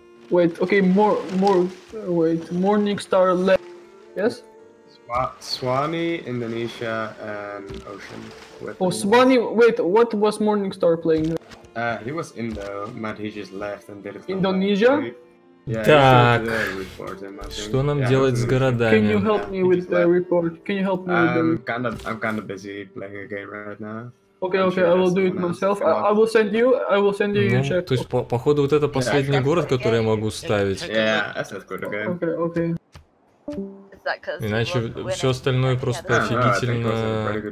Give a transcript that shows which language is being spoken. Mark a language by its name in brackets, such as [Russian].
[English] Wait, okay, wait, Morningstar left, yes? Swanee, Indonesia, and Ocean. Oh, Swanee, wait, what was Morningstar playing? He was Indo, but he just left and did it. Indonesia? Yeah, [Russian] так, что нам делать с городами? [English] Can you help me with the report? Can you help me with the report? I'm kind of busy playing a game right now. Okay, I will do it myself. I will send you [Russian] ну, check. То есть, походу, вот это последний город, который я могу ставить. [English] Yeah, that's good, okay. [Russian] Иначе все остальное просто офигительно.